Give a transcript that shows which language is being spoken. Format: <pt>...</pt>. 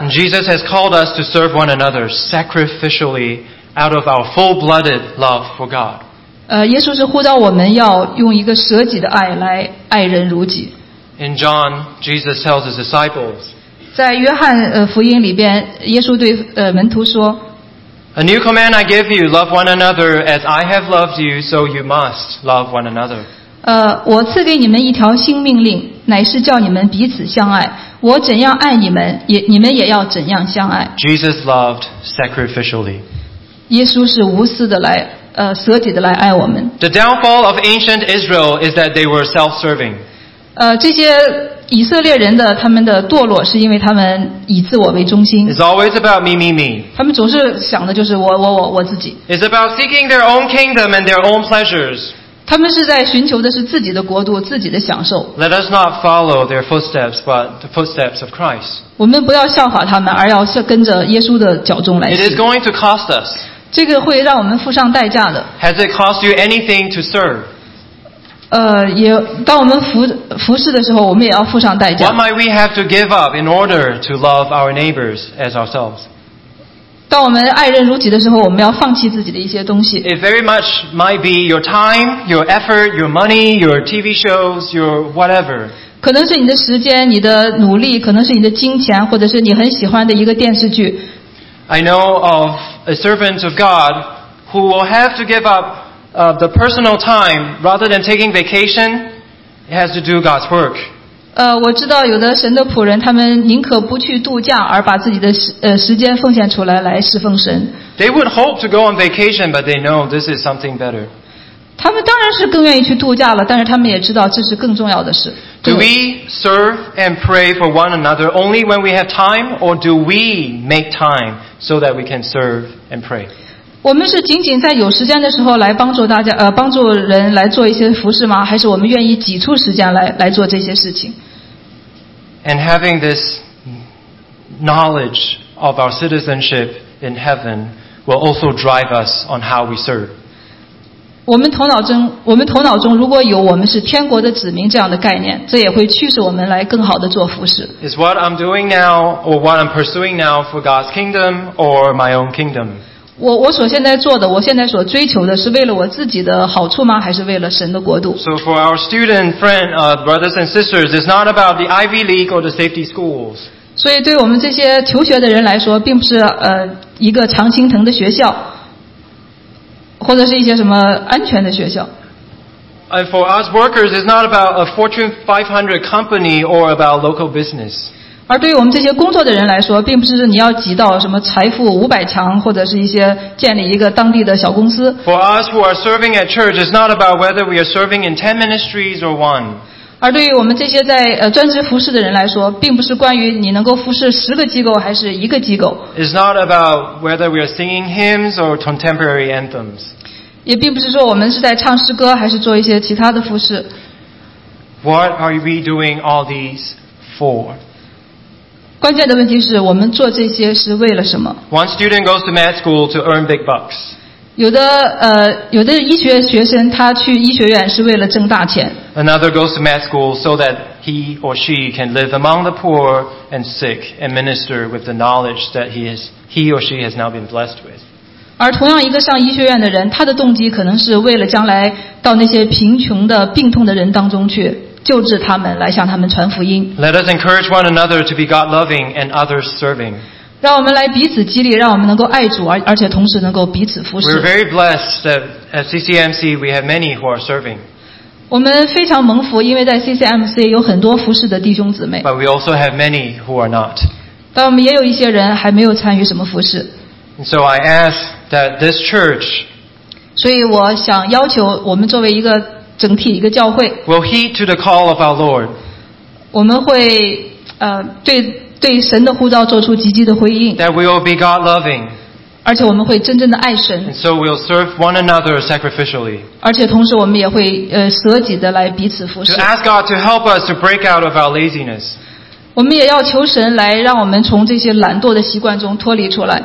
<en>And Jesus has called us to serve one another sacrificially out of our full-blooded love for God.</en> <zh>耶稣是呼召我们要用一个舍己的爱来爱人如己。</zh> <en>In John, Jesus tells his disciples.</en> <zh>在约翰福音里边，耶稣对门徒说</zh> <en>，A new command I give you, love one another as I have loved you, so you must love one another.</en> <zh>我赐给你们一条新命令，乃是叫你们彼此相爱。我怎样爱你们，你们也要怎样相爱。</zh> <en>Jesus loved sacrificially.</en> <zh>耶稣是无私的来。舍己的来爱我们。</zh> <en>The downfall of ancient Israel is that they were self-serving.</en> <zh>这些以色列人的他们的堕落是因为他们以自我为中心。</zh> <en>It's always about me, me, me.</en> <zh>他们总是想的就是我自己。</zh> <en>It's about seeking their own kingdom and their own pleasures.</en> <zh>他们是在寻求的是自己的国度，自己的享受。</zh> <en>Let us not follow their footsteps, but the footsteps of Christ.</en> <zh>我们不要效法他们，而要跟着耶稣的脚踪来行。</zh> <en>It is going to cost us.</en> <zh>这个会让我们付上代价的。</zh> <en>Has it cost you anything to serve?</en> <zh>也当我们服侍的时候，我们也要付上代价。</zh> <en>What might we have to give up in order to love our neighbors as ourselves?</en> <zh>当我们爱人如己的时候，我们要放弃自己的一些东西。</zh> <en>It very much might be your time, your effort, your money, your TV shows, your whatever.</en> <zh>可能是你的时间、你的努力，可能是你的金钱，或者是你很喜欢的一个电视剧。</zh> <en>I know of a servant of God who will have to give up the personal time rather than taking vacation. He has to do God's work.</en> <zh>我知道有的神的仆人，他们宁可不去度假，而把自己的时间奉献出来，来侍奉神。</zh> <en>They would hope to go on vacation, but they know this is something better.</en> <zh>他们当然是更愿意去度假了，但是他们也知道这是更重要的事。</zh> <en>Do we serve and pray for one another only when we have time, or do we make time so that we can serve and pray?</en> <zh>我们是仅仅在有时间的时候来帮助大家，帮助人来做一些服事吗？还是我们愿意挤出时间来做这些事情？</zh> <en>And having this knowledge of our citizenship in heaven will also drive us on how we serve.</en> <zh>我们头脑中如果有我们是天国的子民这样的概念，这也会驱使我们来更好的做服事。</zh> <en>Is what I'm doing now or what I'm pursuing now for God's kingdom or my own kingdom?</en> <zh>我所现在做的，我现在所追求的是为了我自己的好处吗？还是为了神的国度</zh> <en>？So for our student friend, brothers and sisters, it's not about the Ivy League or the safety schools.</en> <zh>所以对我们这些求学的人来说，并不是一个常青藤的学校。或者是一些什么安全的学校。</zh> <en>And for us workers, it's not about a Fortune 500 company or about local business.</en> <zh>而对于我们这些工作的人来说，并不是你要挤到什么财富500强，或者是一些建立一个当地的小公司。</zh> <en>For us who are serving at church, it's not about whether we are serving in 10 ministries or one.</en> <zh>而对于我们这些在专职服事的人来说，并不是关于你能够服事十个机构还是一个机构。</zh> <en>It's not about whether we are singing hymns or contemporary anthems.</en> <zh>也并不是说我们是在唱诗歌，还是做一些其他的服事。</zh> <en>What are we doing all these for?</en> <zh>关键的问题是我们做这些是为了什么？</zh> <en>One student goes to med school to earn big bucks.</en> <zh>有的医学学生他去医学院是为了挣大钱。</zh> <en>Another goes to med school so that he or she can live among the poor and sick and minister with the knowledge that he or she has now been blessed with.</en> <zh>而同样一个上医学院的人，他的动机可能是为了将来到那些贫穷的病痛的人当中去救治他们，来向他们传福音。</zh> <en>Let us encourage one another to be God-loving and others-serving.</en> <zh>让我们来彼此激励，让我们能够爱主，而且同时能够彼此服侍。</zh> <en>We're very blessed that at CCMC we have many who are serving.</en> <zh>我们非常蒙福，因为在 CCMC 有很多服侍的弟兄姊妹。</zh> <en>But we also have many who are not.</en> <zh>但我们也有一些人还没有参与什么服侍。</zh> <en>And so I ask that this church,</en> <zh>所以我想要求我们作为一个整体一个教会</zh> <en>will heed to the call of our Lord.</en> <zh>我们会对神的呼召做出积极的回应</zh> <en>that we will be God loving.</en> <zh>而且我们会真正的爱神</zh> <en>and so we'll serve one another sacrificially.</en> <zh>而且同时我们也会舍己的来彼此服侍</zh> <en>to ask God to help us to break out of our laziness.</en> <zh>我们也要求神来让我们从这些懒惰的习惯中脱离出来。</zh>